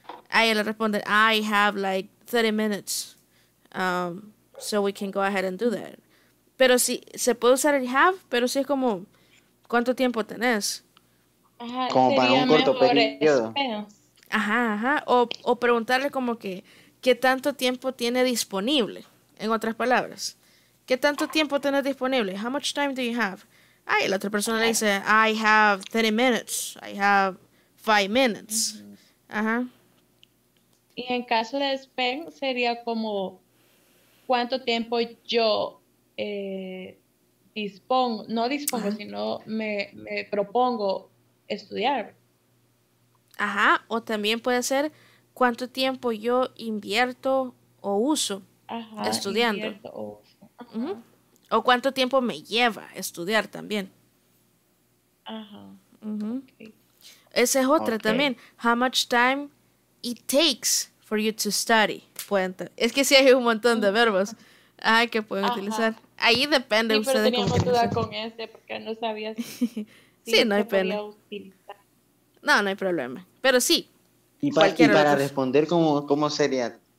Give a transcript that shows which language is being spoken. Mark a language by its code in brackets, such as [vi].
[es] Ahí le responde, [en] I have like 30 minutes, so we can go ahead and do that. [es] Pero sí, se puede usar el have, pero sí es como, ¿cuánto tiempo tenés? Ajá, como para un corto periodo. Ajá. O preguntarle como que, ¿qué tanto tiempo tiene disponible? En otras palabras, ¿qué tanto tiempo tienes disponible? [en] How much time do you have? [es] Ay, la otra persona le dice, [en] I have 30 minutes. I have 5 minutes. Ajá. [es] Y en caso de spend, sería como, ¿cuánto tiempo yo dispongo, sino me propongo estudiar? Ajá, o también puede ser cuánto tiempo yo invierto o uso estudiando. Invierto, O cuánto tiempo me lleva estudiar también. Ajá. Okay. Esa es otra también. [en] How much time it takes for you to study. [es] Es que sí hay un montón de verbos que pueden utilizar. Ahí depende sí, usted de cómo. Sí, pero teníamos duda con ese porque no sabía si sí, no hay pena. No, no hay problema. Pero sí. ¿Y para responder, ¿cómo sería?